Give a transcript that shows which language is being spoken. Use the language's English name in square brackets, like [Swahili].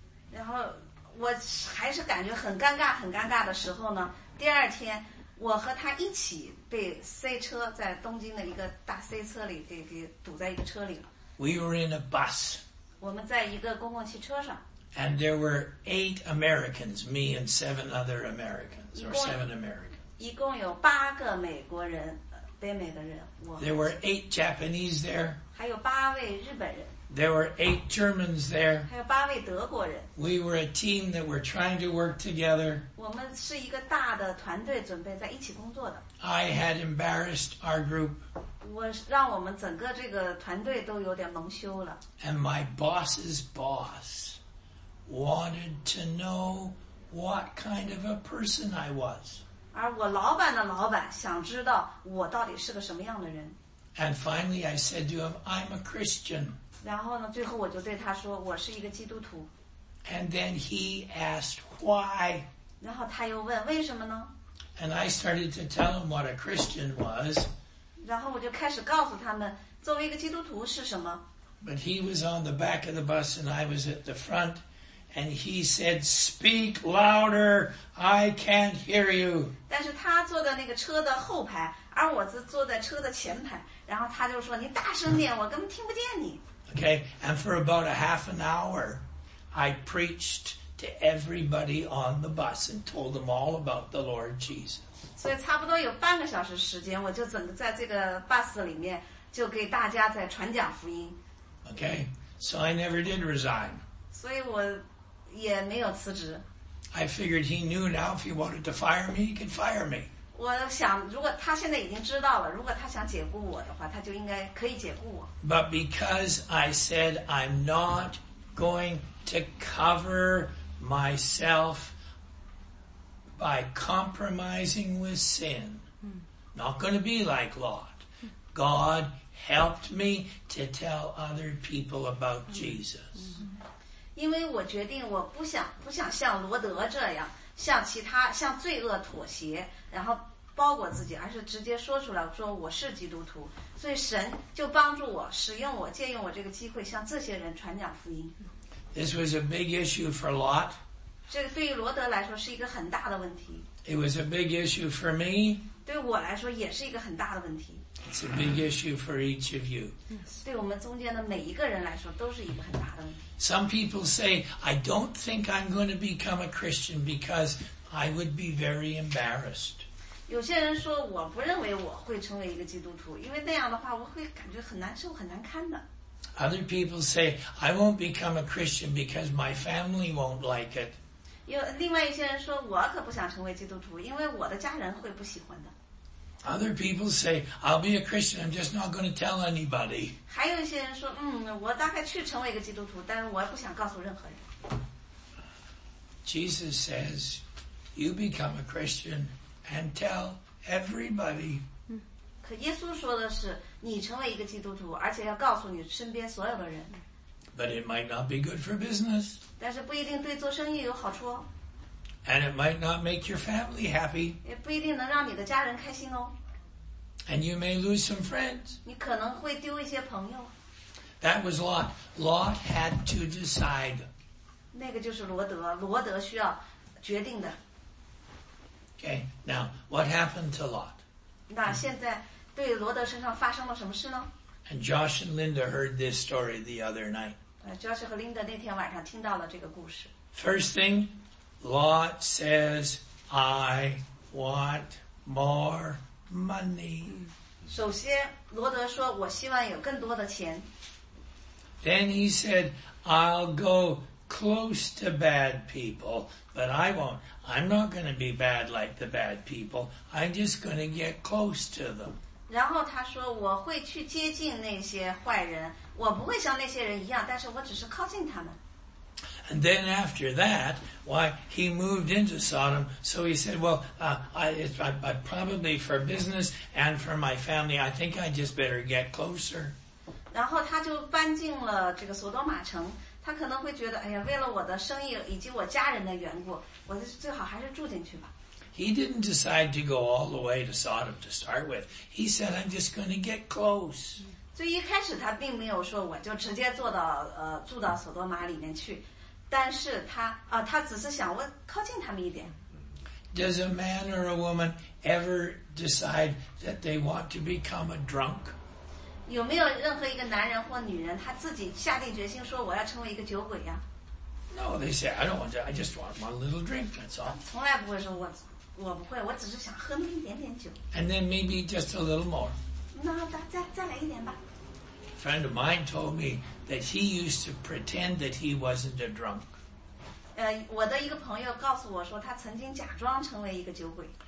[Chinese] 然后我还是感觉很尴尬很尴尬的时候呢，第二天我和他一起被塞车，在东京的一个大塞车里给堵在一个车里了。 [English] We were in a bus. [Chinese] 我们在一个公共汽车上。 [English] And there were 8 Americans, me and 7 other Americans, or 7 Americans. [Chinese] 一共有八个美国人，北美的人。 [English] There were 8 Japanese there. [Chinese] 还有八位日本人。 [English] There were 8 Germans there. [Chinese] 还有八位德国人。 [English] We were a team that were trying to work together. [Chinese] 我们是一个大的团队，准备在一起工作的。 [English] I had embarrassed our group. [Chinese] 我让我们整个这个团队都有点蒙羞了。 [English] And my boss's boss wanted to know what kind of a person I was. [Chinese] 而我老板的老板想知道我到底是个什么样的人。 [English] And finally I said to him, I'm a Christian. [Chinese] 然后呢，最后我就对他说，我是一个基督徒。 [English] And then he asked why. [Chinese] 然后他又问为什么呢？ [English] And I started to tell him what a Christian was. [Chinese] 然后我就开始告诉他们，作为一个基督徒是什么。 [English] But he was on the back of the bus and I was at the front. And he said, speak louder, I can't hear you. [Chinese] 但是他坐在那个车的后排，而我是坐在车的前排。然后他就说，你大声点，我根本听不见你。 [English] Okay, and for about a half an hour, I preached to everybody on the bus and told them all about the Lord Jesus. [Chinese] 所以差不多有半个小时时间，我就整个在这个 bus 里面就给大家在传讲福音。 [English] Okay, so I never did resign. [Chinese] 所以我也没有辞职。 [English] I figured he knew now if he wanted to fire me, he could fire me. [Chinese] 我想如果他现在已经知道了，如果他想解雇我的话，他就应该可以解雇我。 [English] But because I said I'm not going to cover myself by compromising with sin, not going to be like Lot. God helped me to tell other people about Jesus. [Chinese] 因为我决定我不想像罗德这样向其他向罪恶妥协，然后包裹自己，而是直接说出来，说我是基督徒。所以神就帮助我，使用我，借用我这个机会向这些人传讲福音。 [English] This was a big issue for Lot. [Chinese] 这个对于罗德来说是一个很大的问题。 [English] It was a big issue for me. [Chinese] 对我来说也是一个很大的问题。 [English] It's a big issue for each of you. [Chinese] 对我们中间的每一个人来说都是一个很大的问题。 [English] Some people say, I don't think I'm going to become a Christian because I would be very embarrassed. [Chinese] 有些人说我不认为我会成为一个基督徒，因为那样的话我会感觉很难受，很难堪的。 [English] Other people say, I won't become a Christian because my family won't like it. [Chinese] 有另外一些人说我可不想成为基督徒，因为我的家人会不喜欢的。 [English] Other people say, I'll be a Christian, I'm just not going to tell anybody. [Chinese] 还有一些人说，我大概去成为一个基督徒，但是我不想告诉任何人。 [English] Jesus says, you become a Christian and tell everybody. [Chinese] 可耶稣说的是，你成为一个基督徒，而且要告诉你身边所有的人。 [English] But it might not be good for business. [Chinese] 但是不一定对做生意有好处哦。 [English] And it might not make your family happy. [Chinese] 也不一定能让你的家人开心哦。 [English] And you may lose some friends. [Chinese] 你可能会丢一些朋友。 [English] That was Lot. Lot had to decide. [Chinese] 那个就是罗德，罗德需要决定的。 [English] Okay, now, what happened to Lot? [Chinese] 那现在对罗德身上发生了什么事呢？ [English] And Josh and Linda heard this story the other night. [Chinese] Josh 和 Linda 那天晚上听到了这个故事。 [English] First thing,Lot says, I want more money. [Chinese] 首先罗德说我希望有更多的钱。 [English] Then he said, I'll go close to bad people, but I won't. I'm not going to be bad like the bad people. I'm just going to get close to them. [Chinese] 然后他说我会去接近那些坏人，我不会像那些人一样，但是我只是靠近他们。 [English] And then after that, why, he moved into Sodom, so he said, well, I probably for business and for my family, I think I just better get closer. [Chinese] 然后他就搬进了这个索多玛城，他可能会觉得，哎呀，为了我的生意以及我家人的缘故，我最好还是住进去吧。 [English] He didn't decide to go all the way to Sodom to start with. He said, I'm just going to get close. [Chinese] 所以一开始他并没有说我就直接坐到住到索多玛里面去，但是他只是想问靠近他们一点。 [English] Does a man or a woman ever decide that they want to become a drunk? [Chinese] 有没有任何一个男人或女人他自己下定决心说我要成为一个酒鬼呀？ [English] No, they say I don't want to. I just want my little drink. That's all. [Chinese] 从来不会说我不会，我只是想喝那一点点酒。 [English] And then maybe just a little more. [Chinese] 那再来一点吧。 [English] Friend of mine told me that he used to pretend that he wasn't a drunk. [Chinese] 我的一个朋友告诉我说，他曾经假装成为一个酒鬼。